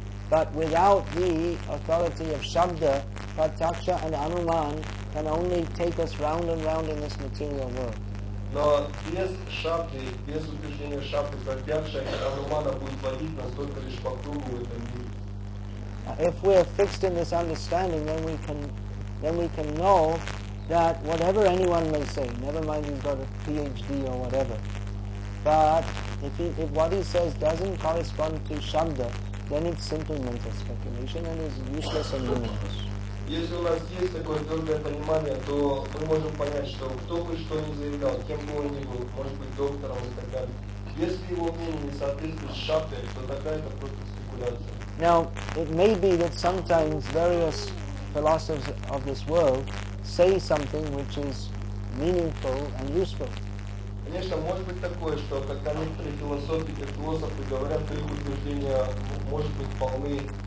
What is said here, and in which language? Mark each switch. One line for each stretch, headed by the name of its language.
English: But without the authority of Shabda, Pratyaksha and Anuman, can only take us round and round in this material world.
Russian: Но без шапты, без утверждения шапты, пропятшая романа будет водить нас только лишь по кругу в этом мире.
English: If we are fixed in this understanding, then we can know that whatever anyone may say, never mind he's got a PhD or whatever, but if what he says doesn't correspond to Shabda, then it's simply mental speculation and is useless and meaningless.
Russian: Если у нас есть такое твердое понимание, то мы можем понять, что кто бы что ни заявлял, кем бы он ни был, может быть доктором и так далее. Если его мнение не соответствует шабде, то тогда это просто спекуляция.
English: Now, it may be that sometimes various philosophers of this world say something which is meaningful and useful.
Russian: Конечно, может быть такое, что когда некоторые философы говорят, то их утверждения может быть полны